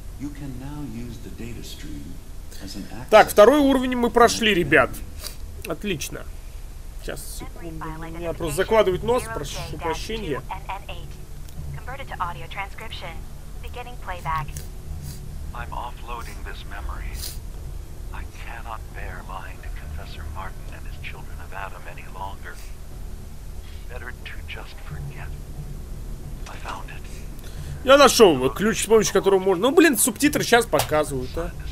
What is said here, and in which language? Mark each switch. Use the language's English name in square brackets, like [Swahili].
[English] You can now use the data stream as an access. [Russian] Так, второй уровень мы прошли, ребят. Отлично. Сейчас, секунду, у меня просто закладывает нос, прошу прощения. [English] Converted to audio transcription. Beginning playback. I'm offloading this memory. I cannot bear lying to Confessor Martin and his children of Adam any longer. Better to just forget. I found it. [Russian] Я нашел ключ, с помощью которого можно... Ну, блин, субтитры сейчас показывают, а.